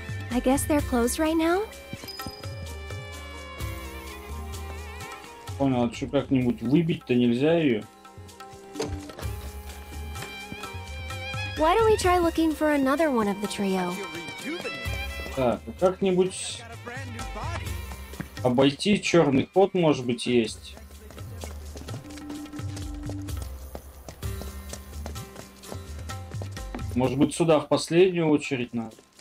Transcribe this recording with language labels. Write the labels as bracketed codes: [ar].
[en] I guess they're closed right now? [ru] Понял, а что как-нибудь выбить-то нельзя ее? [en] Why don't we try looking for another one of the trio? [ru] Так, как-нибудь обойти черный ход, может быть, есть. Может быть, сюда в последнюю очередь надо.